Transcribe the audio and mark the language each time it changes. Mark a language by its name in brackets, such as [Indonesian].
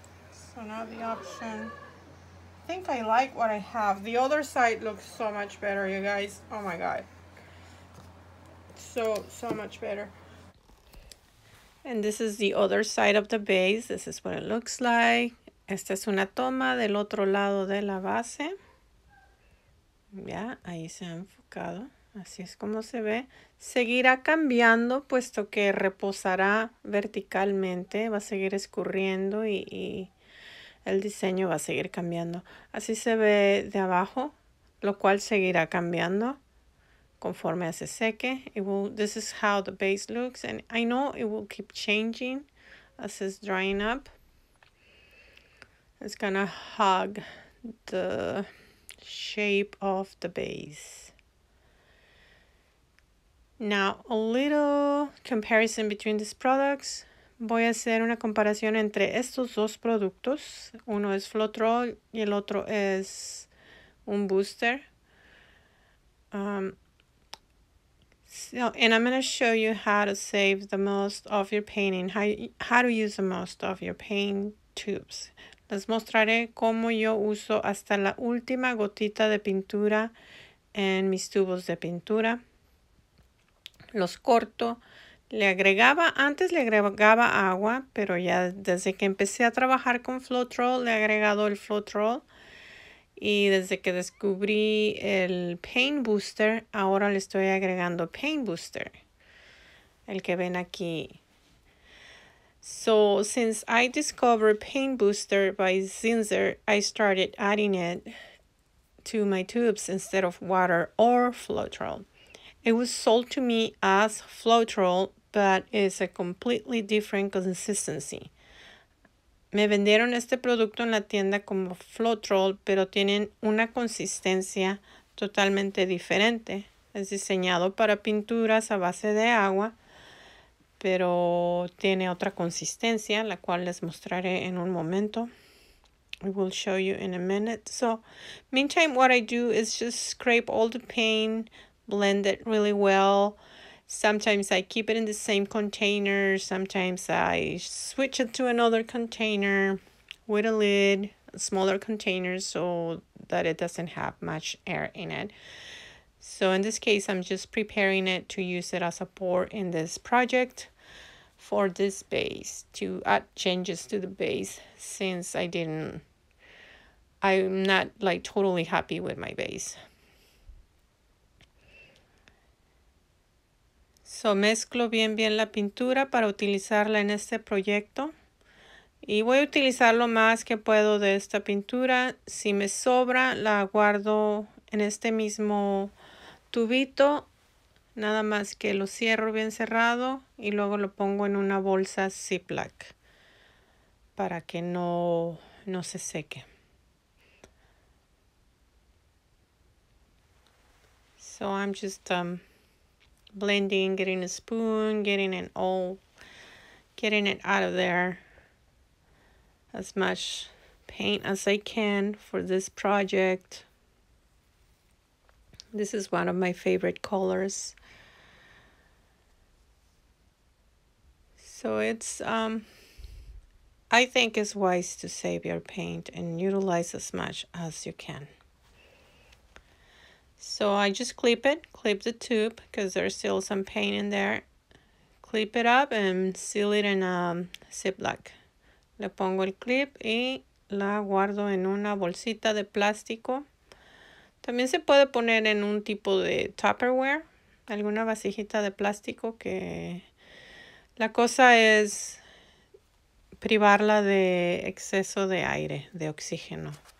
[English] So now the option, I think I like what I have. The other side looks so much better, you guys. Oh my God. So much better. And this is the other side of the base. This is what it looks like. [Spanish] Esta es una toma del otro lado de la base. Ya, ahí se ha enfocado. Así es como se ve. Seguirá cambiando, puesto que reposará verticalmente. Va a seguir escurriendo y el diseño va a seguir cambiando. Así se ve de abajo, lo cual seguirá cambiando conforme se seque. [English] It will, this is how the base looks. And I know it will keep changing as it's drying up. It's gonna hug the shape of the base. Now, a little comparison between these products. [Spanish] Voy a hacer una comparación entre estos dos productos. Uno es Floetrol y el otro es un booster. [English] And I'm gonna show you how to save the most of your painting. How to use the most of your paint tubes. [Spanish] Les mostraré cómo yo uso hasta la última gotita de pintura en mis tubos de pintura. Los corto. Antes le agregaba agua, pero ya desde que empecé a trabajar con Floetrol, le he agregado el Floetrol. Y desde que descubrí el Paint Booster, ahora le estoy agregando Paint Booster. El que ven aquí. [English] So, since I discovered Paint Booster by Zinsser, I started adding it to my tubes instead of water or Floetrol. It was sold to me as Floetrol, but it's a completely different consistency. [Spanish] Me vendieron este producto en la tienda como Floetrol, pero tienen una consistencia totalmente diferente. Es diseñado para pinturas a base de agua, pero tiene otra consistencia, la cual les mostraré en un momento. [English] I will show you in a minute. So, meantime, what I do is just scrape all the paint, blend it really well. Sometimes I keep it in the same container. Sometimes I switch it to another container with a lid, a smaller container, so that it doesn't have much air in it. So in this case, I'm just preparing it to use it as a pour in this project for this base, to add changes to the base, since I'm not like totally happy with my base. [Spanish] So mezclo bien bien la pintura para utilizarla en este proyecto. Y voy a utilizar lo más que puedo de esta pintura. Si me sobra, la guardo en este mismo tubito, nada más que lo cierro bien cerrado y luego lo pongo en una bolsa Ziploc para que no se seque. [English] So I'm just blending, getting a spoon, getting it out of there, as much paint as I can for this project. This is one of my favorite colors. So it's, I think it's wise to save your paint and utilize as much as you can. So I just clip the tube because there's still some paint in there. Clip it up and seal it in a Ziploc. [Spanish] Le pongo el clip y la guardo en una bolsita de plástico. También se puede poner en un tipo de Tupperware, alguna vasijita de plástico, que la cosa es privarla de exceso de aire, de oxígeno.